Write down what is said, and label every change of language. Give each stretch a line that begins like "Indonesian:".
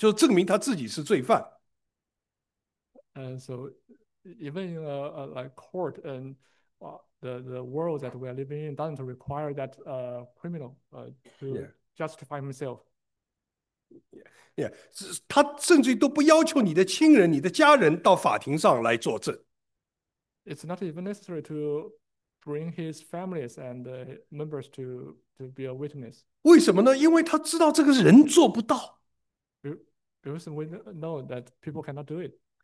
Chinese: 我这法庭应该是最追求公平的嘛，法庭在法庭上，他都不要求一个人他自证其罪，你就证明他自己是罪犯。
English: So even like court and the world that we are living in doesn't require that criminal to justify himself. Yeah,
Chinese: 他甚至都不要求你的亲人、你的家人到法庭上来作证。
English: It's not even necessary to bring his families and members to be a witness.
Chinese: 为什么呢？因为他知道这个人做不到。
English: Because we know that people cannot do it.